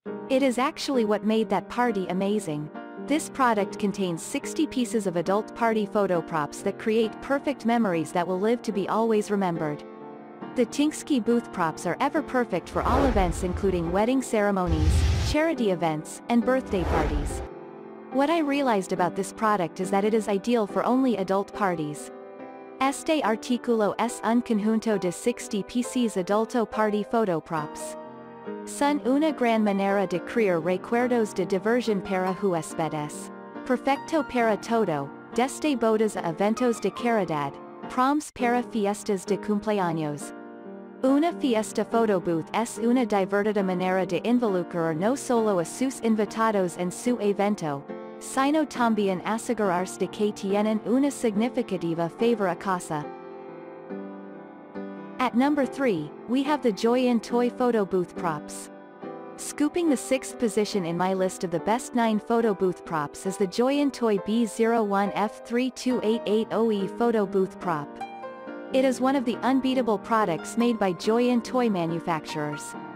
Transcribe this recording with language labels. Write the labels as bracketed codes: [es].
[en] It is actually what made that party amazing. This product contains 60 pieces of adult party photo props that create perfect memories that will live to be always remembered. The Tinksky booth props are ever perfect for all events including wedding ceremonies, charity events, and birthday parties. What I realized about this product is that it is ideal for only adult parties. [es] Este artículo es un conjunto de 60 [en] pieces adulto party photo props. [es] Son una gran manera de crear recuerdos de diversión para huéspedes. Perfecto para todo, desde bodas a eventos de caridad, proms para fiestas de cumpleaños. Una fiesta photo booth es una divertida manera de involucrar no solo a sus invitados en su evento, sino también asegurarse de que tienen una significativa favor a casa. [en] At number 3, we have the Joyin toy photo booth props. Scooping the 6th position in my list of the best 9 photo booth props is the Joyin toy B01F3288OE photo booth prop. It is one of the unbeatable products made by Joyin toy manufacturers.